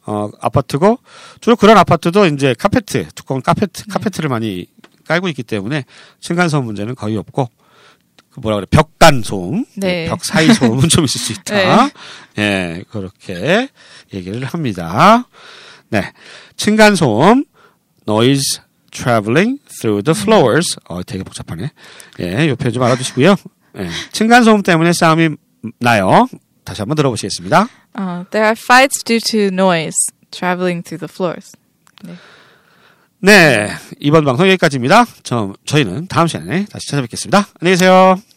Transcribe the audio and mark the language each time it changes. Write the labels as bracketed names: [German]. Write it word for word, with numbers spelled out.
[Korean] 어, 아파트고, 주로 그런 아파트도 이제 카페트, 두꺼운 카페트, 카페트를 많이 깔고 있기 때문에 층간소음 문제는 거의 없고, 그 뭐라 그래, 벽간 소음, 네. 벽 사이 소음은 좀 있을 수 있다. 예, 그렇게 얘기를 합니다. 네. 층간 소음, [English] noise traveling through the floors. [Korean] 어, 되게 복잡하네. 예, 요 표현 좀 알아두시고요. 예. 층간 소음 때문에 싸움이 나요. 다시 한번 들어보시겠습니다. [English] 어, there are fights due to noise traveling through the floors. [Korean] 네. 네. 이번 방송 여기까지입니다. 저, 저희는 다음 시간에 다시 찾아뵙겠습니다. 안녕히 계세요.